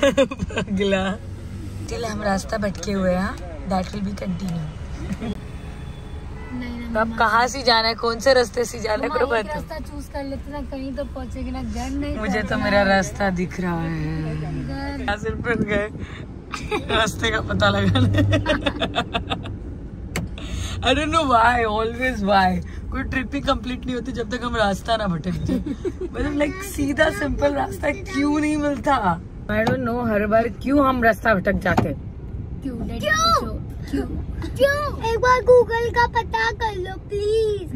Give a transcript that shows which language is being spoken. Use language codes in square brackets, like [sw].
[hi] अगला चल, हम रास्ता भटके हुए हैं, [en] That will be continue. [hi] तो अब कहाँ से जाना है, कौन से रास्ते से जाना है? रास्ता चूज कर लेते ना, कहीं तो पहुंचेगी ना। घर नहीं, मुझे तो मेरा रास्ता दिख रहा है। सिर्फ फिर गए रास्ते का पता लगाने। [en] I don't know why, always why. [hi] कोई ट्रिप ही कम्प्लीट नहीं होती जब तक हम रास्ता ना भटक जाए। मतलब लाइक सीधा सिंपल रास्ता क्यों नहीं मिलता? [en] I don't know, [hi] हर बार क्यों हम रास्ता भटक जाते। क्यों? एक बार गूगल का पता कर लो प्लीज।